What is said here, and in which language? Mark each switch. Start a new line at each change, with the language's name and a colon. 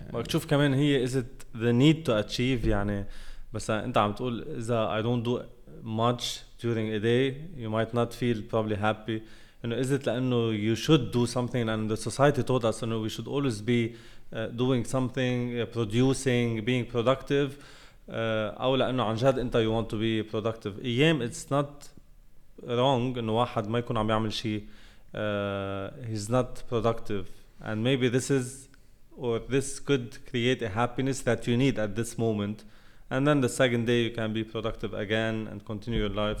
Arabic: بشوف كمان هي
English: is it the need to achieve.
Arabic: يعني بس انت عم تقول إذا
English: I don't do much during a day you might not feel probably happy. You know, is it like you should do something, and the society taught us, you know, we should always be doing something, producing, being productive.
Arabic: أو لأنه عن جد أنت
English: you want to be productive.
Arabic: أيام
English: it's not wrong
Arabic: إنه واحد ما يكون عم يعمل شيء,
English: he's not productive, and maybe this could create a happiness that you need at this moment, and then the second day you can be productive again and continue your life.